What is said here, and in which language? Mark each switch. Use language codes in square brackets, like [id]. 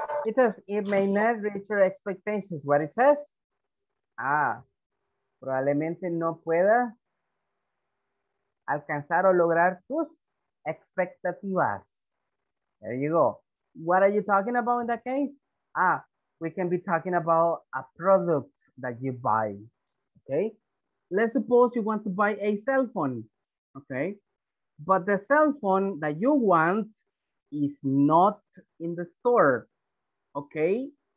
[en] It says it may not reach your expectations. What it says? [es] Probablemente no pueda alcanzar o lograr tus expectativas. [en] There you go. What are you talking about in that case? We can be talking about a product that you buy, okay? Let's suppose you want to buy a cell phone, okay? But the cell phone that you want is not in the store, okay?